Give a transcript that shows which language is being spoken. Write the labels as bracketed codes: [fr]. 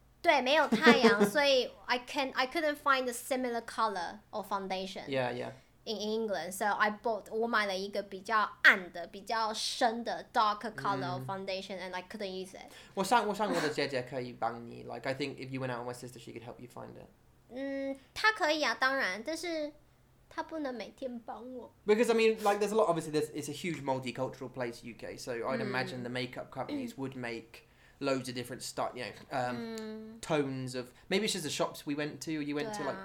[zh] 对,没有太阳, 所以 [en] I couldn't find the similar color of foundation. Yeah, yeah. In England. So I bought, [zh] 我买了一个比较暗的,比较深的 [en] darker color of foundation and I couldn't use it. [zh] 我想我的姐姐可以帮你, [en] like I think if you went out with my sister, she could help you find it. [zh] 她可以啊,当然,但是她不能每天帮我。 [en] Because I mean, like there's a lot, obviously it's a huge multicultural place, UK, so I'd imagine the makeup companies would make... loads of different stuff, you know, tones of... Maybe it's just the shops we went to, or you went to, like...